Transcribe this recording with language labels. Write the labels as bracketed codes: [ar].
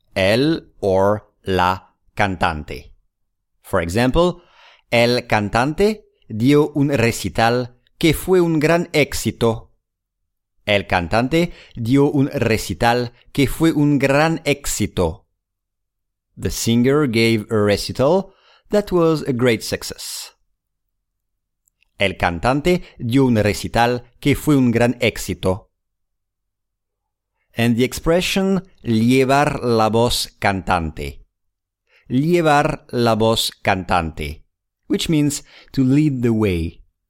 [es] El or la cantante. [en] For example, [es] el cantante dio un recital que fue un gran éxito. El cantante dio un recital que fue un gran éxito. [en] The singer gave a recital that was a great success. [es] El cantante dio un recital que fue un gran éxito. [en] And the expression, [es] llevar la voz cantante. Llevar la voz cantante. [en] Which means to lead the way.